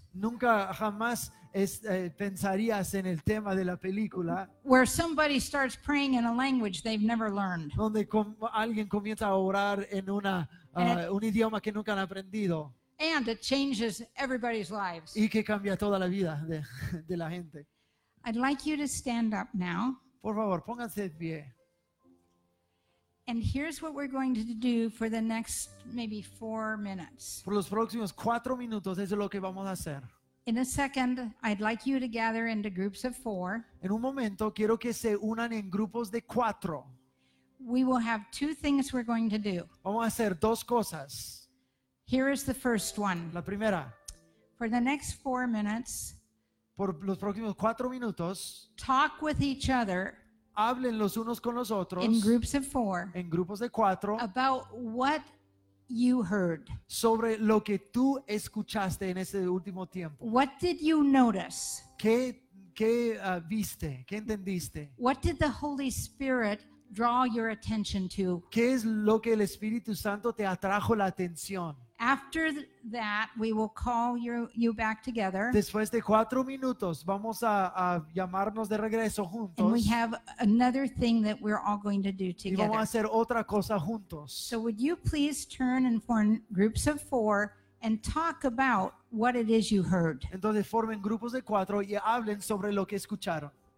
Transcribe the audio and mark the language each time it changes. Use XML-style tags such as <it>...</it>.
<es>Nunca jamás pensarías en el tema de la película.</es> <en>Where somebody starts praying in a language they've never learned.</en> <es>Donde alguien comienza a orar en una un idioma que nunca han aprendido.</es> <en>And it changes everybody's lives.</en> <es>Y que cambia toda la vida de la gente.</es> <en>I'd like you to stand up now.</en> <es>Por favor, pónganse de pie.</es> <en>And here's what we're going to do for the next maybe 4 minutes.</en> <es>Por los próximos 4 minutos, eso es lo que vamos a hacer.</es> <en>In a second, I'd like you to gather into groups of 4.</en> <es>En un momento, quiero que se unan en grupos de 4.</es> <en>We will have 2 things we're going to do.</en> <es>Vamos a hacer 2 cosas.</es> <en>Here is the first one.</en> <es>La primera.</es> <en>For the next 4 minutes,</en> <es>por los próximos 4 minutos,</es> <en>talk with each other,</en> <es>hablen los unos con los otros,</es> <en>in groups of 4,</en> <es>en grupos de 4,</es> <en>about what you heard,</en> <es>sobre lo que tú escuchaste en ese último tiempo.</es> <en>What did you notice?</en> <es>¿Qué viste? ¿Qué entendiste?</es> <en>What did the Holy Spirit draw your attention to?</en> <es>¿Qué es lo que el Espíritu Santo te atrajo la atención?</es> <en>After that, we will call you back together.</en> <es>Después de 4 minutos, vamos a llamarnos de regreso juntos.</es> <en>And we have another thing that we're all going to do together.</en> <es>Y vamos a hacer otra cosa juntos.</es> <en>So would you please turn and form groups of 4 and talk about what it is you heard?</en> <es>Entonces formen grupos de 4 y hablen sobre lo que escucharon.</es>